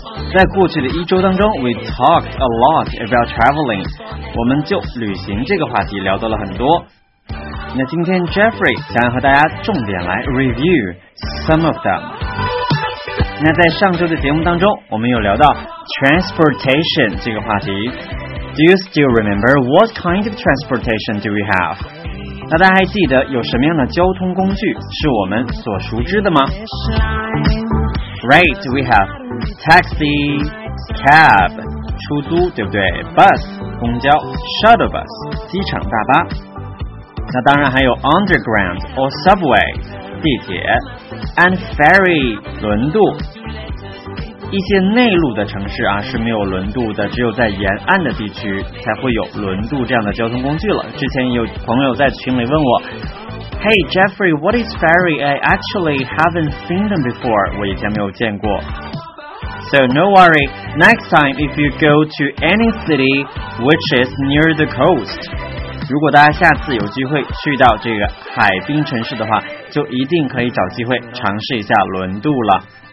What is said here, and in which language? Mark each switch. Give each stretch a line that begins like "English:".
Chinese: 在过去的一周当中
English: We talked a lot about traveling，
Chinese: 我们就旅行这个话题聊到了很多。那今天 Jeffrey 想和大家重点来
English: review some of them。
Chinese: 那在上周的节目当中我们有聊到 transportation 这个话题。
English: Do you still remember what kind of transportation do we have?
Chinese: 那大家还记得有什么样的交通工具是我们所熟知的吗？
English: Right, we have taxi, cab,
Chinese: 出租对不对？
English: Bus, 公交， shuttle bus, 机场大巴。
Chinese: 那当然还有
English: underground or subway,
Chinese: 地铁， and ferry, 轮渡。一些内陆的城市啊是没有轮渡的，只有在沿岸的地区才会有轮渡这样的交通工具了。之前有朋友在群里问我
English: Hey Jeffrey, what is ferry? I actually haven't seen them before.
Chinese: 我以前没有见过。
English: So no worry, next time if you go to any city which is near the coast,
Chinese: 如果大家下次有机会去到这个海滨城市的话，就一定可以找机会尝试一下轮渡了。